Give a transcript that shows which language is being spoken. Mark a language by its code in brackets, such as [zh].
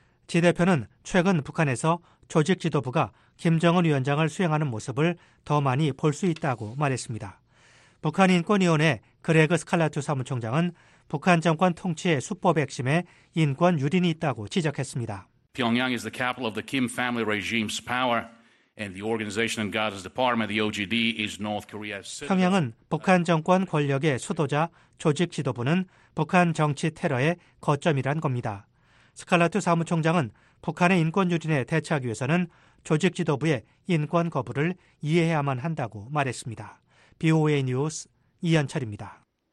[ko] 지 대표는 최근 북한에서 조직 지도부가 김정은 위원장을 수행하는 모습을 더 많이 볼 수 있다고 말했습니다. 북한인권위원회 그레그 스칼라투 사무총장은 북한 정권 통치의 수법 핵심에 인권 유린이 있다고 지적했습니다. [en] Pyongyang is the capital of the Kim family regime's power. And the organization and guards department, the OGD, is North Korea's. [ko] 평양은 북한 정권 권력의 수도자 조직 지도부는 북한 정치 테러의 거점이란 겁니다. 스칼라투 사무총장은 북한의 인권 유린에 대처하기 위해서는 조직 지도부의 인권 거부를 이해해야만 한다고 말했습니다. BOA 뉴스 이현철입니다.